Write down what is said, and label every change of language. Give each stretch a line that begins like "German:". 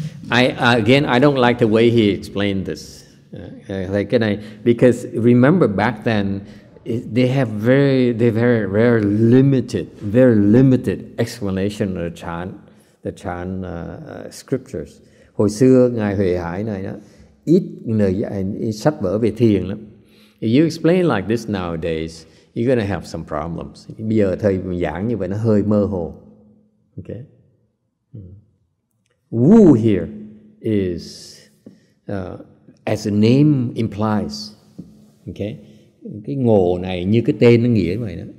English: I don't like the way he explained this. Like, I, because remember back then, they have very limited explanation of the chan scriptures.
Vietnamese: Hồi xưa ngài Huệ Hải này đó, ít lời sách vở về thiền lắm.
English: If you explain like this nowadays, you're gonna have some problems.
Vietnamese: Bây giờ thầy giảng như vậy nó hơi mơ hồ.
English: Okay. Wu here is, as the name implies, okay?
Vietnamese: Cái ngộ này như cái tên nó nghĩa vậy đó.